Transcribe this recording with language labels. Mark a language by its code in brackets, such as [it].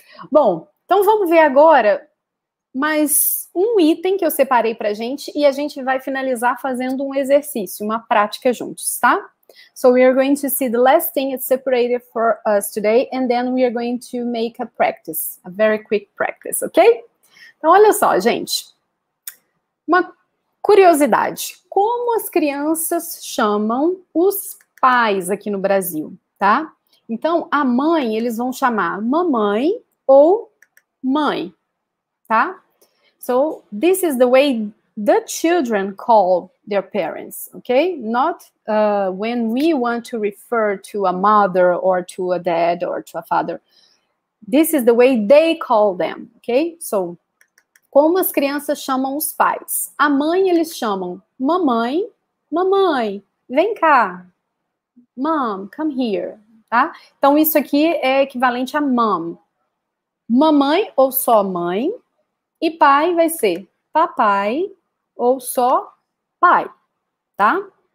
[pt] Bom, então vamos ver agora mais um item que eu separei pra gente e a gente vai finalizar fazendo um exercício, uma prática juntos, tá? [en] So we are going to see the last thing that's separated for us today and then we are going to make a practice, a very quick practice, ok? [pt] Então olha só, gente. Uma curiosidade, como as crianças chamam os pais aqui no Brasil, tá? Então, a mãe, eles vão chamar mamãe ou mãe, tá? [en] So, this is the way the children call their parents, okay? Not when we want to refer to a mother or to a dad or to a father. This is the way they call them, okay? [pt] So, como as crianças chamam os pais? A mãe, eles chamam mamãe, mamãe, vem cá. [en] Mom, come here, [pt] tá? Então, isso aqui é equivalente a mom. Mamãe ou só mãe. E pai vai ser papai ou só pai, tá?